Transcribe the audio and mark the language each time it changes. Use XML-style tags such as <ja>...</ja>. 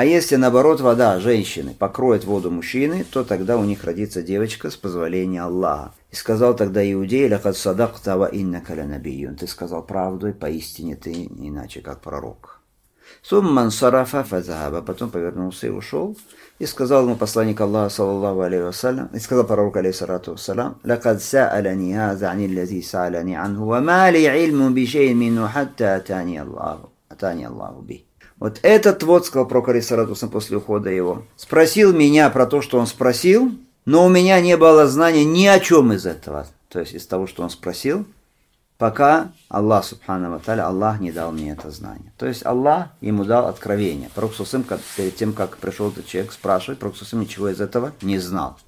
<ru>А если, наоборот, вода женщины покроет воду мужчины, то тогда у них родится девочка с позволения Аллаха. И сказал тогда иудей,</ru> <ar>لَقَدْ صَدَقْتَ وَإِنَّكَ لَنَبِيٌّ.</ar> <ru>Ты сказал правду, и поистине ты не иначе, как пророк.</ru> <ar>ثُمَّ انْصَرَفَ فَذَهَبَ.</ar> <ru>Потом повернулся и ушел. И сказал ему посланник Аллаха, саллаллаху алейхи ва саллям,</ru> <ar>и сказал пророк, алейхиссалату ва саллям, لَقَدْ سَأَلَنِي هَذَا عَنِ الَّذِي سَأَلَنِي عَنْهُ وَمَا لِي عِلْمٌ بِشَيْءٍ مِنْهُ حَتَّى أَتَانِيَ اللَّهُ بِهِ.</ar> <ru>Вот этот вот, сказал пророк, алейхиссалату ва саллям, после ухода его, спросил меня про то, что он спросил, но у меня не было знания ни о чем из этого, то есть из того, что он спросил, пока Аллах, субхана ва тааля, Аллах не дал мне это знание. То есть Аллах ему дал откровение. Пророк Сусым, перед тем, как пришел этот человек спрашивать, Пророк Сусым ничего из этого не знал.</ru>